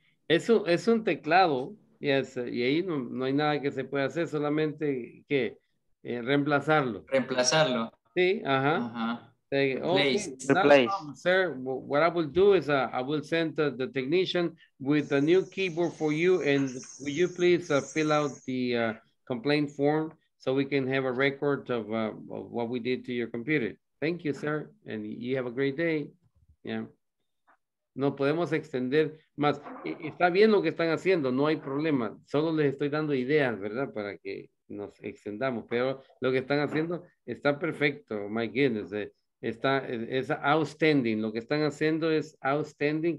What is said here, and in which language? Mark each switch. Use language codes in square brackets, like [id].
[es] Es un teclado, yes, y ahí no hay nada que se pueda hacer, solamente que Reemplazarlo. Reemplazarlo. Sí, ajá. Ajá. [en] Okay, replace. Problem, sir, what I will do is I will send the technician with a new keyboard for you, and will you please fill out the complaint form so we can have a record of what we did to your computer. Thank you, sir, and you have a great day. [es] Yeah. No podemos extender más. Está bien lo que están haciendo, no hay problema. Solo les estoy dando ideas, ¿verdad? Para que nos extendamos. Pero lo que están haciendo está perfecto. [en] My goodness. [es] Está, es outstanding. Lo que están haciendo es outstanding.